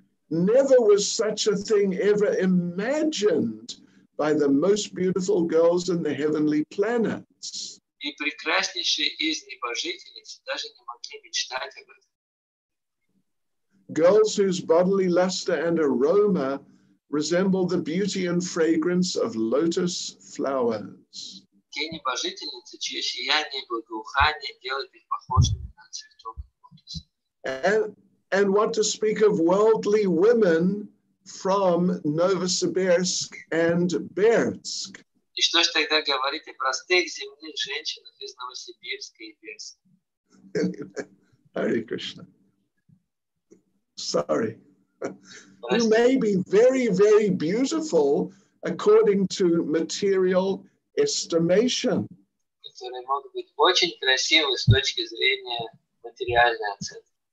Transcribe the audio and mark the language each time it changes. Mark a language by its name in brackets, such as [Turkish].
[English] Never was such a thing ever imagined by the most beautiful girls in the heavenly planets. [Russian] И прекраснейшие из небожительниц даже не могли мечтать об этом. [English] Girls whose bodily luster and aroma resemble the beauty and fragrance of lotus flowers. [Russian] Те небожительницы, чье сияние и благоухание делают их похожими на цветок лотос. [English] And what to speak of worldly women from Novosibirsk and Bertsk. [Russian] И что ж тогда говорить о простых земных женщинах из Новосибирска и Бирска? [English] Hare Krishna. Sorry. Who may be very, very beautiful according to material estimation. [Russian] Которые могут быть очень красивы с точки зрения материальной оценки.